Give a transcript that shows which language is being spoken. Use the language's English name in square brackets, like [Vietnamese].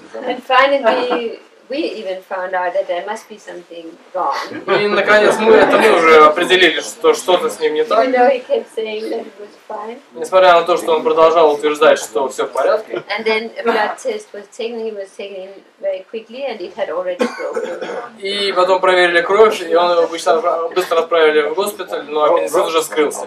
[English] And finally, we even found out that there must be something wrong. [Russian] И наконец мы уже определили, что что-то с ним не так. [English] Even though he kept saying that it was fine. [Russian] Несмотря на то, что он продолжал утверждать, что все в порядке. [English] And then a blood test was taken. He was taken very quickly, and it had already broken. [Russian] И потом проверили кровь, и он его быстро отправили в госпиталь, но аппендицит уже скрылся.